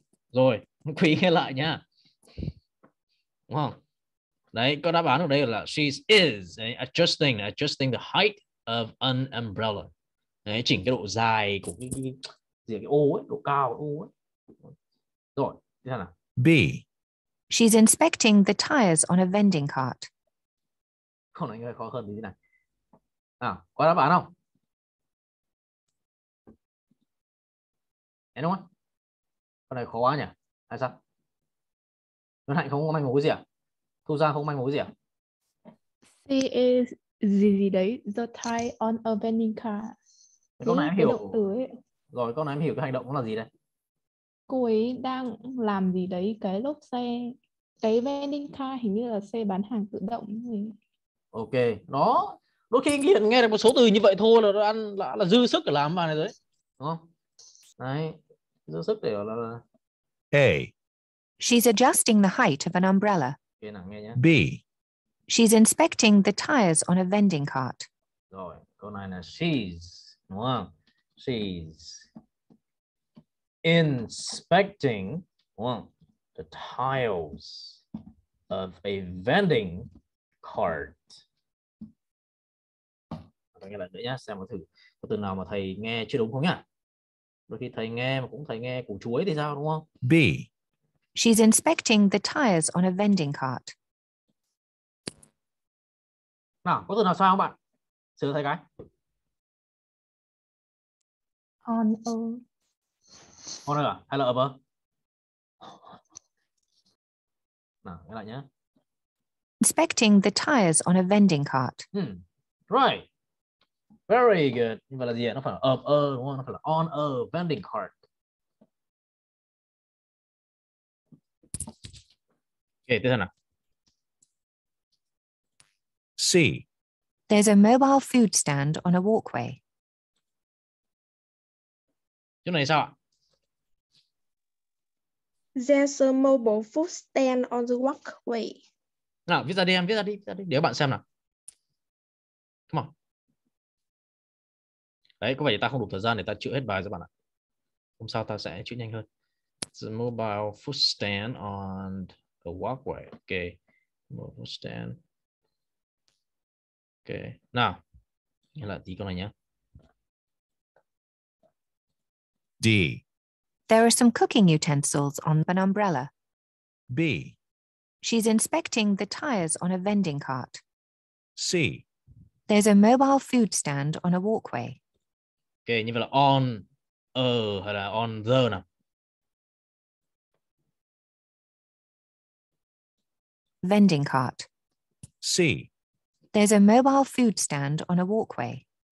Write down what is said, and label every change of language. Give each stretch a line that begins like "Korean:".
Vietnamese: Rồi, Quý nghe lại nhá. Đúng không? Đấy, có đáp án ở đây là
English: she's is adjusting the height of an umbrella.
Vietnamese: Đấy, chỉnh cái độ dài của cái ô ấy, độ cao của ô ấy. Rồi, thế nào?
English: B. She's inspecting the tires on a vending cart.
Vietnamese: Không này, khó hơn thế này. Nào, có đáp án không? Đấy đúng không? Con này khó quá nhỉ? Hay sao? Nguyễn Hạnh không có manh mối gì à? Thu Giang không manh mối gì à?
English: She is
Vietnamese: gì đấy?
English: The tie on a vending car.
Vietnamese: Câu này em hiểu. Rồi, câu này em hiểu cái hành động là gì đây? Cô ấy đang làm gì đấy? Cái lốp xe, cái vending car hình như là xe bán hàng tự động gì. Ok, đó. Đôi khi nghe được một số từ như vậy thôi là ăn là dư sức để làm bài này rồi. Đúng không? Đấy, dư sức để là...
English: A. She's adjusting the height of an umbrella. Okay, nào, nghe nhé. B. She's inspecting the tires on a vending cart.
Vietnamese: Rồi, câu này là she's, đúng không?
English: She's inspecting,
Vietnamese: đúng không?
English: The tires of a vending cart.
Vietnamese: Tôi nghe lại nữa nhé, xem một thử. Có từ nào mà thầy nghe chưa đúng không nhá? Đôi khi thầy nghe mà cũng thầy nghe củ chuối thì sao đúng không?
English: B. She's inspecting the tires on a vending cart.
Vietnamese: Nào, có từ nào sai không bạn? Sửa thầy cái.
English: On a.
Vietnamese: On a à? Hay là
English: of a?
Vietnamese: Nào, nghe lại nhé.
English: Inspecting the tires on a vending cart. Right. Very good.
Vietnamese: Nhưng mà là gì ạ? Nó phải là of a đúng không? Nó phải là
English: on a vending cart.
Vietnamese: Ok, tiếp theo nào.
English: C. There's a mobile food stand on a walkway.
Vietnamese: Chỗ này sao ạ?
English: There's a mobile food stand on the walkway.
Vietnamese: Nào, viết ra đi em, viết ra đi. Để bạn xem nào. Come on. Đấy, có vẻ ta không đủ thời gian để ta chữa hết bài các bạn ạ. Hôm sau ta sẽ chữa nhanh hơn.
English: The mobile food stand on the walkway. Ok. Mobile stand. Ok.
Vietnamese: Nào. Nghe lại tí con này nhé.
English: D. There are some cooking utensils on an umbrella. B. She's inspecting the tires on a vending cart. C. There's a mobile food stand on a walkway.
Vietnamese: Ok, như vậy là on a hay là on the nào?
English: Vending cart. C. There's a mobile food stand on a walkway.